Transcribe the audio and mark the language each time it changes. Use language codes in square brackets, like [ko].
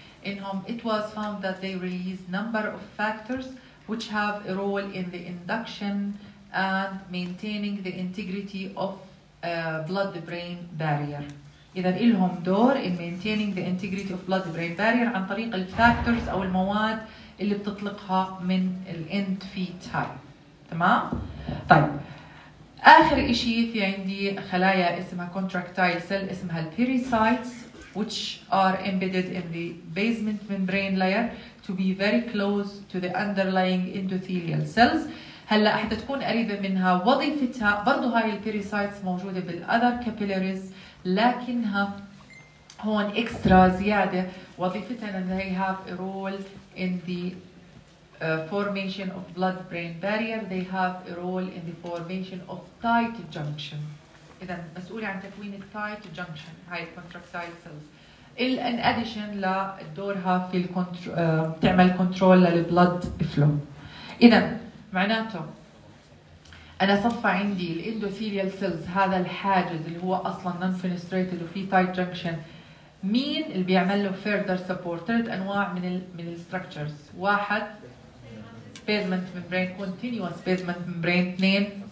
[en] إنهم it was found that they release number of factors which have a role in the induction and maintaining the integrity of blood-brain barrier. [ar] إذا إلهم دور [en] in maintaining the integrity of blood-brain barrier [ar] عن طريق الفاكتورز أو المواد اللي بتطلقها من الـ end feet هاي. تمام؟ طيب آخر إشي في عندي خلايا اسمها [en] contractile cell اسمها pericytes which are embedded in the basement membrane layer to be very close to the underlying endothelial cells. [ar] هلا حتى تكون قريبة منها وظيفتها برضو هاي الpericytes موجودة بالother capillaries لكنها هون اكسترا زيادة وظيفتنا ان [en] they have a role in the formation of blood-brain barrier. They have a role in the formation of tight junction. [ar] اذا مسؤولة عن تكوين tight junction هاي contractile cells. [en] In addition [ar] لدورها في تعمل control للblood flow. اذا معناته انا صفى عندي الاندوثيليال سيلز هذا الحاجز اللي هو اصلا نون فينستريتد وفي تايت جنكشن مين اللي بيعمل له [en] further support [ar] ثلاث انواع من الستراكشرز واحد بيزمنت ممبرين كونتينوس بيزمنت ممبرين اثنين